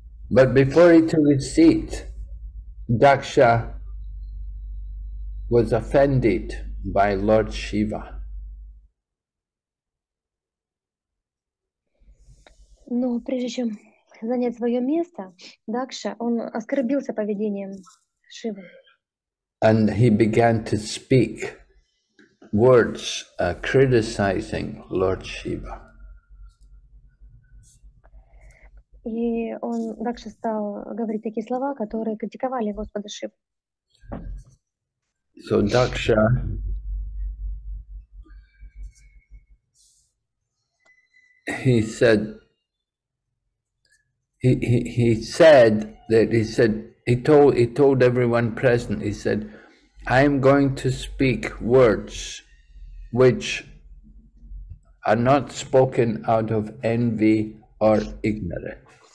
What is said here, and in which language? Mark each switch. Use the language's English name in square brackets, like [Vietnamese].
[English] But before he took his seat, Daksha was offended by Lord Shiva. [Russian] Но прежде чем занять свое место, Дакша, он оскорбился поведением Шивы. [English] And he began to speak words criticizing Lord Shiva. [Russian] И он дальше стал говорить такие слова, которые критиковали Господа Шиву. [English] So Daksha he told everyone present, he said, I am going to speak words which are not spoken out of envy or ignorance.